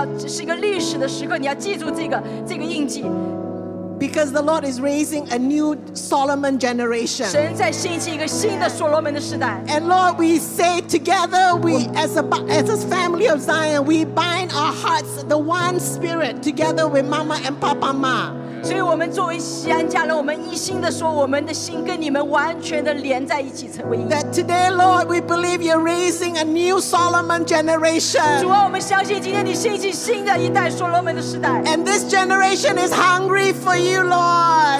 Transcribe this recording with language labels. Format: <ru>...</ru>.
<zh>那过去你们来到温哥华，你们要寻找一个新的事情。神说，今天是一个历史的时刻，你要记住这个印记。</zh> <en>Because the Lord is raising a new Solomon generation. And Lord, we say together, as a family of Zion, we bind our hearts, the one spirit, together with Mama and Papa Ma.</en> <zh>所以我们作为西安家人，我们一心的说，我们的心跟你们完全的连在一起，成为一。</zh> <en>That today, Lord, we believe you're raising a new Solomon generation.</en> <zh>主啊，我们相信今天你兴起新的一代所罗门的时代。</zh> <en>And this generation is hungry for you, Lord.</en>